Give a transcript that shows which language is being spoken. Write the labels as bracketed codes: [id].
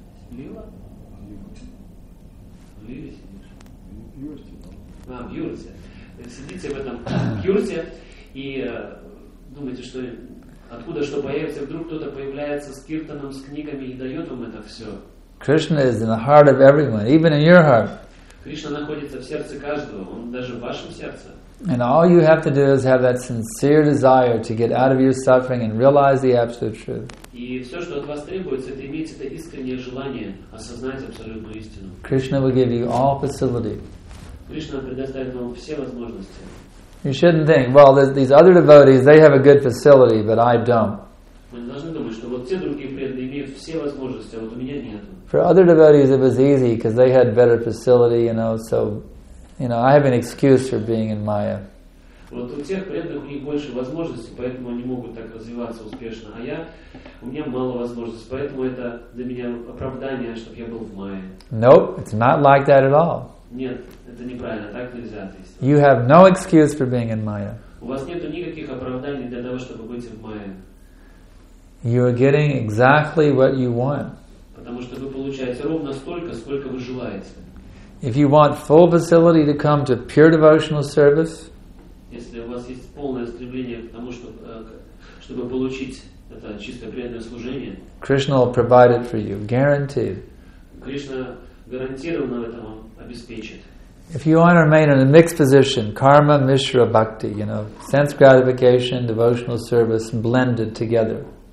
[ru] Лила? В Юрте. Сидите в этом Юрте и думаете, что откуда что появится, вдруг кто-то появляется с киртаном, с книгами и дает вам это все. [en] Krishna is in the heart of everyone, even in your heart. [ru] Кришна находится в сердце каждого, он даже в вашем сердце. [en] And all you have to do is have that sincere desire to get out of your suffering and realize the absolute truth. [ru] И все, что от вас требуется, это иметь это искреннее желание осознать абсолютную истину. [en] Krishna will give you all facility. [ru] Кришна предоставит вам все возможности. [en] You shouldn't think, well, these other devotees, they have a good facility, but I don't. [ru] Вы не должны думать, что вот те другие преданные имеют все возможности, а вот у меня нет. [en] For other devotees, it was easy because they had better facility, you know. So, you know, I have an excuse for being in Maya. [ru] Вот у тех преданных у них больше возможностей, поэтому они могут так развиваться успешно. А я, у меня мало возможностей, поэтому это для меня оправдание, чтобы я был в Maya. [en] Nope, it's not like that at all. [ru] Нет, это неправильно, так нельзя. [en] You have no excuse for being in Maya. [ru] У вас нету никаких оправданий для того, чтобы быть в Maya. [en] You are getting exactly what you want. [ru] Потому что вы получаете ровно столько, сколько вы желаете. [en] If you want full facility to come to pure devotional service, [ru] если у вас есть полное стремление к тому, чтобы получить это чисто преданное служение, [en] Krishna will provide it for you, guaranteed. [ru] Кришна гарантированно это вам обеспечит. [en] If you want to remain in a mixed position, karma, mishra, bhakti, you know, sense gratification, devotional service, blended together.